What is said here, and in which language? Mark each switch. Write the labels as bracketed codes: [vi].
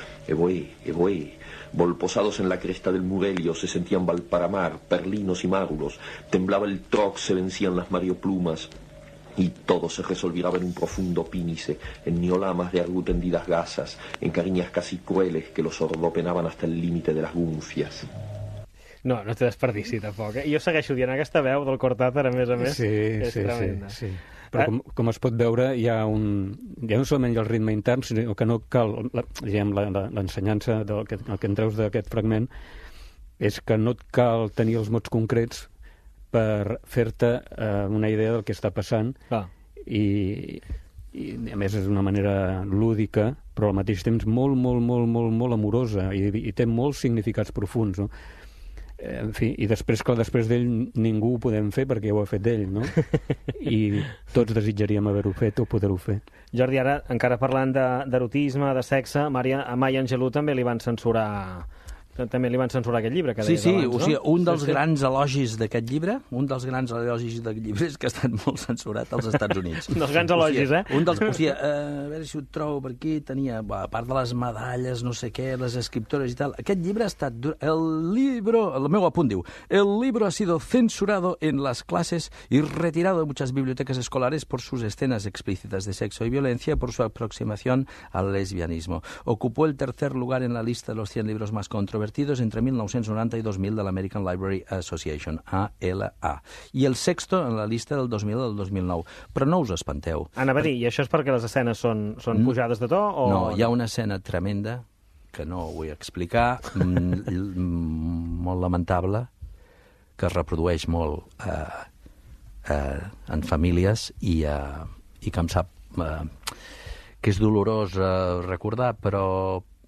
[es] Evoé, evoé. Volposados en la cresta del murelio, se sentían valparamar, perlinos y márulos, temblaba el troc, se vencían las marioplumas, y todo se resolviraba en un profundo pínice, en niolamas de argutendidas gasas, en cariñas casi crueles que los ordopenaban hasta el límite de las gunfias. [ca] No, no té desperdici, tampoc. Jo segueixo dient aquesta veu del Cortázar, a més, sí, és sí, tremenda. Sí, sí. Però com es pot veure, hi ha un... Ja no solament hi ha el ritme intern, sinó que no cal... Diguem, l'ensenyança del que en treus d'aquest fragment és que no et cal tenir els mots concrets per fer-te una idea del que està passant. I a més, és una manera lúdica, però al mateix temps molt, molt, molt, molt, molt amorosa i té molts significats profuns, no? En fi, i després, clar, després d'ell ningú ho podem fer perquè ho ha fet ell, no? I tots desitjaríem haver-ho fet o poder-ho fer. Jordi, ara, encara parlant d'erotisme, de sexe, a Maya Angelou també li van censurar aquest llibre. Que sí, sí, abans, o sigui, un dels grans elogis d'aquest llibre, un dels grans elogis d'aquest llibre és que ha estat molt censurat als Estats Units. Un dels grans elogis, Un dels, a veure si ho trobo per aquí, tenia, a part de les medalles, no sé què, les escriptores i tal, aquest llibre ha estat... el meu apunt diu, [es] el libro ha sido censurado en las clases y retirado de muchas bibliotecas escolares por sus escenas explícitas de sexo y violencia, por su aproximación al lesbianismo. Ocupó el tercer lugar en la lista de los 100 libros más controvertidos entre 1990 y 2000 de la American Library Association, ALA, i el sexto en la llista del 2000 del 2009. [ca] Però no us espanteu. Anava a dir, i això és perquè les escenes són pujades de to? O... No, hi ha una escena tremenda, que no vull explicar, molt lamentable, que es reprodueix molt en famílies i que em sap que és dolorós recordar, però...